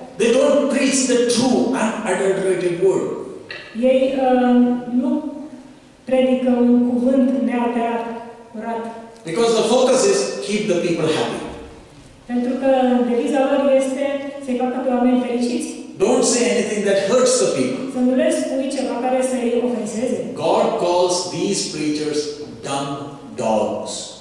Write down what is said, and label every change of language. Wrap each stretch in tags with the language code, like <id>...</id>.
<en>They don't preach the true and adulterated word.</en> <ro>Ei nu predică un cuvânt neadevărat, curat.</ro> <en>Because the focus is keep the people happy.</en> <ro>Pentru că deviza lor este să-i facă pe oameni fericiți.</ro> <en>Don't say anything that hurts the people.</en> <ro>Să nu le spui ceva care să îi ofenseze.</ro> <en>God calls these preachers dumb dogs.</en>